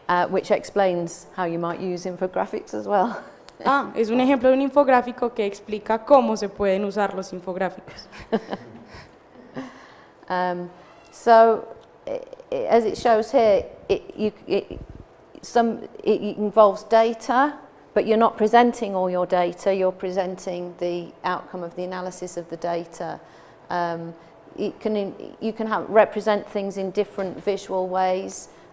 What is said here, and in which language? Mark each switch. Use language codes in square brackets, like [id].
[en] Which explains how you might use infographics as well. [es] Ah, es un ejemplo de un infográfico que explica cómo se pueden usar los infográficos. [en] So, as it shows here, it involves data, but you're not presenting all your data, you're presenting the outcome of the analysis of the data. You can represent things in different visual ways.